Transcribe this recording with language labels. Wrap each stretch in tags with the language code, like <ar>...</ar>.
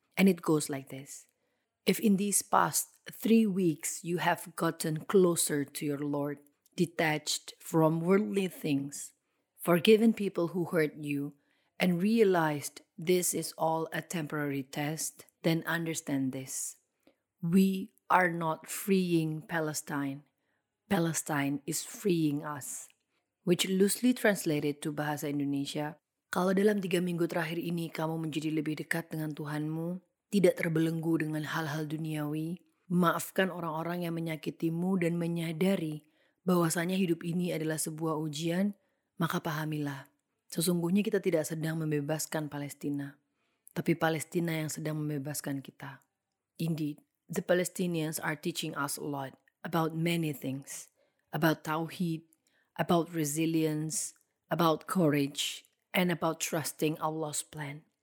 <en>And it goes like this. If in these past 3 weeks you have gotten closer to your Lord, detached from worldly things, forgiven people who hurt you, and realized this is all a temporary test, then understand this. We are not freeing Palestine. Palestine is freeing us. Which loosely translated to Bahasa Indonesia,</en> <id>kalau dalam 3 minggu terakhir ini kamu menjadi lebih dekat dengan Tuhanmu, tidak terbelenggu dengan hal-hal duniawi, maafkan orang-orang yang menyakitimu dan menyadari bahwasanya hidup ini adalah sebuah ujian, maka pahamilah, sesungguhnya kita tidak sedang membebaskan Palestina, tapi Palestina yang sedang membebaskan kita.</id> <en>Indeed, the Palestinians are teaching us a lot. About many things, about tawhid, about resilience, about courage, and about trusting Allah's plan.</en>